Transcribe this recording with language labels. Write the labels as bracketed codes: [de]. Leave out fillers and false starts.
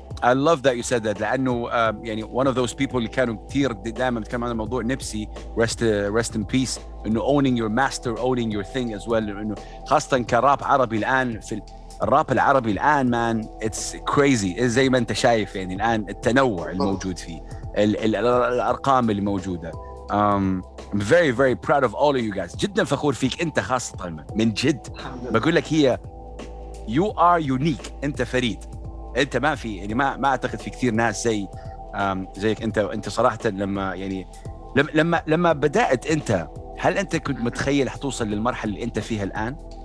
[en] I love that you said that. [ar] لأنه يعني [en] one of those people [ar] اللي كانوا كتير دائماً تكلم عن الموضوع، [en] Nipsey rest in peace، إنه owning your master، owning your thing as well. [ar] إنه خاصة كراب عربي الآن، في الراب العربي الآن [en] man it's crazy، [ar] زي ما أنت شايف يعني الآن التنوع الموجود فيه، الأرقام اللي موجودة. [en] I'm very very proud of all of you guys. [ar] جدا فخور فيك أنت خاصة، من جد بقول لك هي [en] you are unique، [ar] أنت فريد، أنت ما في يعني ما أعتقد في كثير ناس زيك أنت. أنت صراحة لما يعني لما بدأت أنت، هل أنت كنت متخيل حتوصل للمرحلة اللي أنت فيها الآن؟